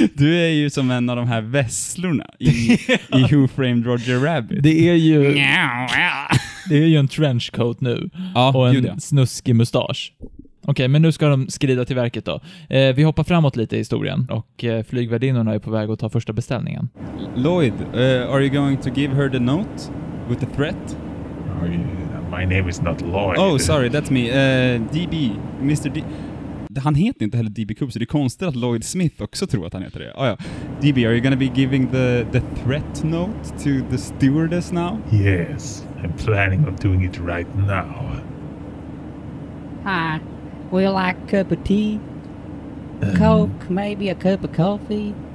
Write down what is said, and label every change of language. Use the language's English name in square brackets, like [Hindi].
[Swedish] Du är ju som en av de här vässlorna i Who Framed Roger Rabbit. Det är ju... Det är ju en trenchcoat nu. Ja, och en Julia. Snuskig mustasch. Okej, men nu ska de skrida till verket då. Vi hoppar framåt lite i historien. Och flygvärdinnorna är på väg att ta första beställningen. [English] Lloyd, are you going to give her the note? With the threat? My name is not Lloyd. Oh, sorry, that's me. DB, Mr. D... [Swedish] Han heter inte heller DB Cooper, så det är konstigt att Lloyd Smith också tror att han heter det. Oh, ja. [English] DB, are you going to be giving the threat note to the stewardess now? Yes, I'm planning on doing it right now. Hi, would you like a cup of tea? Coke, maybe a cup of coffee?